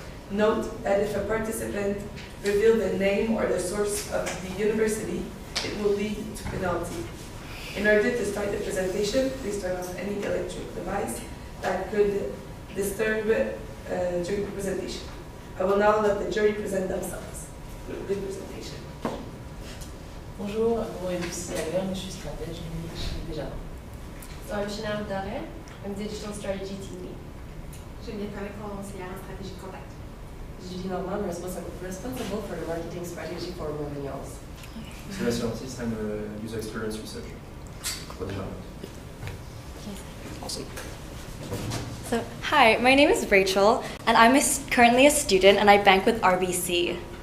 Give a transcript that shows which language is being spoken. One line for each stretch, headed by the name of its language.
English: Note that if a participant reveals the name or the source of the university, it will lead to penalty. In order to start the presentation, please turn off any electric device that could disturb during the presentation. I will now let the jury present themselves. Good presentation.
French: Bonjour, mon nom est Alain, je suis stratège, je suis déjà.
English: So I'm Chanel Darren, I'm digital strategy team lead.
French: Je viens parler pour conseiller en stratégie contact.
English: Julie Norman, responsible for the marketing strategy for millennials. Sébastien Ortiz, I'm a user experience researcher. So, hi, my name is Rachel, and I'm currently a student, and I bank with RBC.